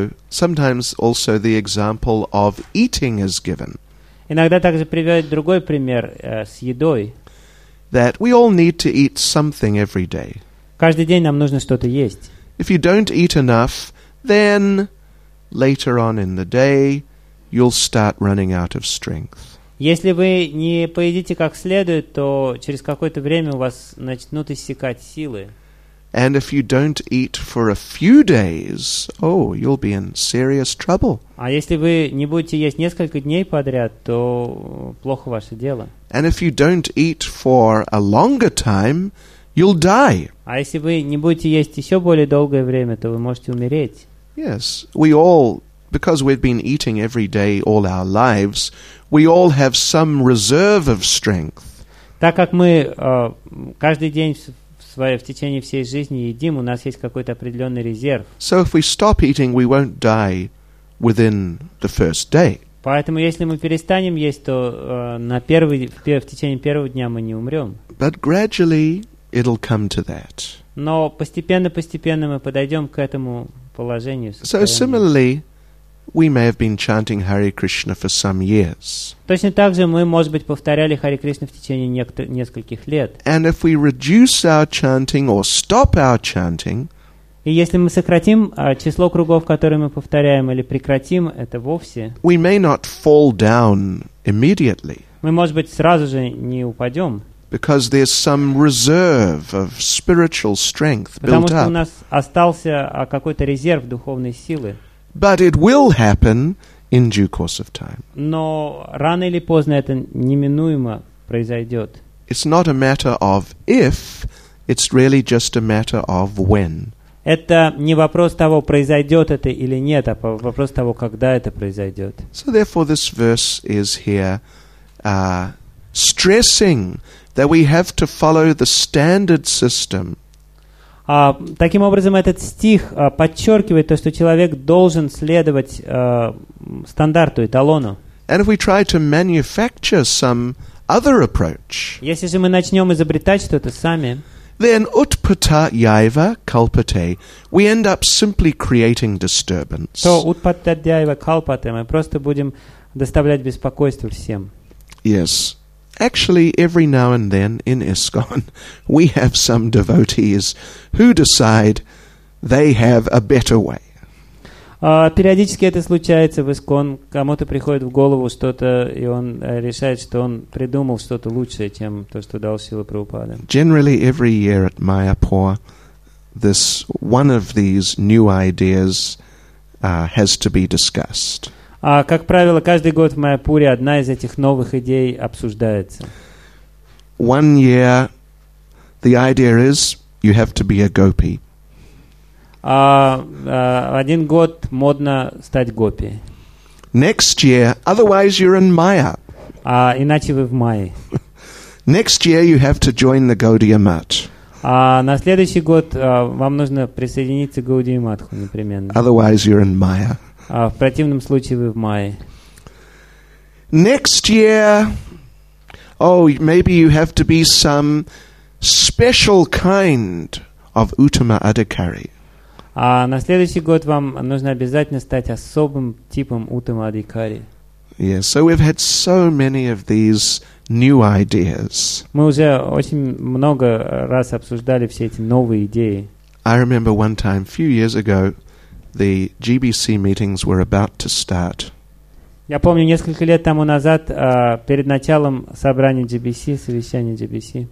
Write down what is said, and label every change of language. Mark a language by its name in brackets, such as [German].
[English] Sometimes also the example of eating is given. [Russian] Иногда также приводят другой пример с едой. [English] That we all need to eat something every day. [Russian] Каждый день нам нужно что-то есть. [English] If you don't eat enough, then later on in the day you'll start running out of strength. [Russian] Если вы не поедите как следует, то через какое-то время у вас начнут иссякать силы. [English] And if you don't eat for a few days, oh, you'll be in serious trouble. [Russian] А если вы не будете есть несколько дней подряд, то плохо ваше дело. [English] And if you don't eat for a longer time, you'll die. [Russian] А если вы не будете есть еще более долгое время, то вы можете умереть. [English] Yes, we all, because we've been eating every day all our lives, we all have some reserve of strength. [Russian] Так как мы каждый день в течение всей жизни едим, у нас есть какой-то определенный резерв. [English] So if we stop eating, we won't die within the first day. [Russian] Поэтому если мы перестанем есть, то в течение первого дня мы не умрем. [English] But gradually it'll come to that. [Russian] Но постепенно-постепенно мы подойдем к этому положению. [English] So similarly, we may have been chanting Hare Krishna for some years. [Russian] Точно так же мы, может быть, повторяли Hare Krishna в течение нескольких лет. [English] And if we reduce our chanting or stop our chanting, [Russian] и если мы сократим число кругов, которые мы повторяем, или прекратим это вовсе, [English] we may not fall down immediately. [Russian] Мы, может быть, сразу же не упадем. [English] Because there's some reserve of spiritual strength built up. [Russian] Потому что у нас остался какой-то резерв духовной силы. [English] But it will happen in due course of time. [Russian] Но рано или поздно это неминуемо произойдет. [English] It's not a matter of if, it's really just a matter of when. [Russian] Это не вопрос того, произойдет это или нет, а вопрос того, когда это произойдет. [English] So therefore this verse is here stressing that we have to follow the standard system. [Russian] Таким образом, этот стих подчеркивает то, что человек должен следовать стандарту, эталону. [English] And if we try to manufacture some other approach, [Russian] если же мы начнем изобретать что-то сами, [English] then [Sanskrit] utpata yaiva kalpate, [English] we end up simply creating disturbance. [Russian] То [Sanskrit] utpata yaiva kalpate, [Russian] мы просто будем доставлять беспокойство всем. [English] Yes, Actually, every now and then in ISKCON, we have some devotees who decide they have a better way. [Russian] Периодически это случается в ИСКОН, кому-то приходит в голову что-то, и он решает, что он придумал что-то лучшее, чем то, что дал Шрила Прабхупада. [English] Generally, every year at Mayapur, this one of these new ideas has to be discussed. [Russian] А как правило, каждый год в Майяпуре одна из этих новых идей обсуждается. [English] One year, the idea is you have to be a gopi. [Russian] Один год модно стать гопи. [English] Next year, otherwise you're in Maya. [Russian] Иначе вы в Майе. [English] Next year you have to join the Gaudiya Math. [Russian] На следующий год вам нужно присоединиться к Gaudiya Mathu непременно. [English] Otherwise you're in Maya. [Russian] В противном случае вы в Майе. [English] Next year, maybe you have to be some special kind of Uttama Adhikari. [Russian] А на следующий год вам нужно обязательно стать особым типом Uttama Adhikari. [English] Yes, so we've had so many of these new ideas. [Russian] Мы уже очень много раз обсуждали все эти новые идеи. [English] I remember one time, a few years ago, the GBC meetings were about to start. [Russian] Я помню несколько лет тому назад, перед началом собрания GBC, совещания GBC.